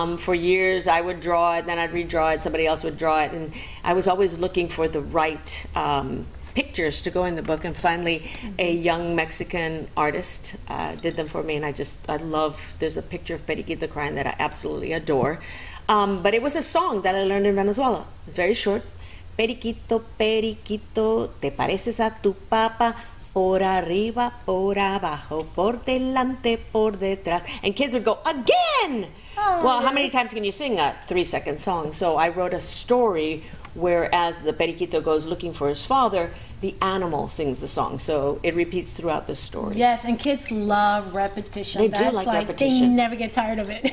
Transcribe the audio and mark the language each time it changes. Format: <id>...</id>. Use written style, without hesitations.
<en>For years, I would draw it, then I'd redraw it, somebody else would draw it, and I was always looking for the right pictures to go in the book, and finally, a young Mexican artist did them for me, and I love, there's a picture of Periquito crying that I absolutely adore. But it was a song that I learned in Venezuela. It's very short.</en> <es>Periquito, periquito, te pareces a tu papa, por arriba, por abajo, por delante, por detrás.</es> <en>And kids would go, again! Oh, well, how many times can you sing a 3-second song? So I wrote a story where as the periquito goes looking for his father, the animal sings the song. So it repeats throughout the story. Yes, and kids love repetition. They do like repetition. They never get tired of it.</en>